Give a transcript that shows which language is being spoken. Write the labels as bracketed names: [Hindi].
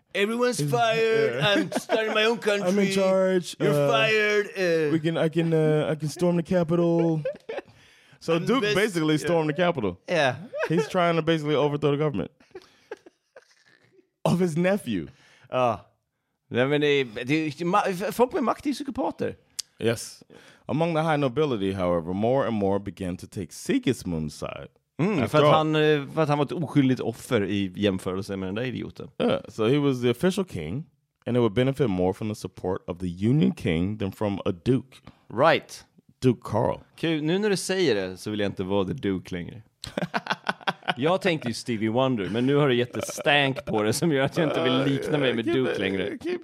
[English] Everyone's fired. Yeah. I'm starting my own country. I'm in charge. You're fired. I can storm the Capitol. So I'm Duke basically stormed the Capitol. Yeah. He's trying to basically overthrow the government of his nephew. [Swedish] Folk med makt är psykopater. [English] Yes. Among the high nobility, however, more and more began to take Sigismund's side. [Swedish] För att han var ett oskyldigt offer i jämförelse med den där idioten. [English] Yeah, so he was the official king, and it would benefit more from the support of the Union King than from a duke. Right. Duke Carl. [Swedish] Kul, nu när du säger det så vill jag inte vara [English] the duke [Swedish] längre. Jag tänkte ju Stevie Wonder, men nu har du gett ett stank på det som gör att jag inte vill likna mig med Duke längre.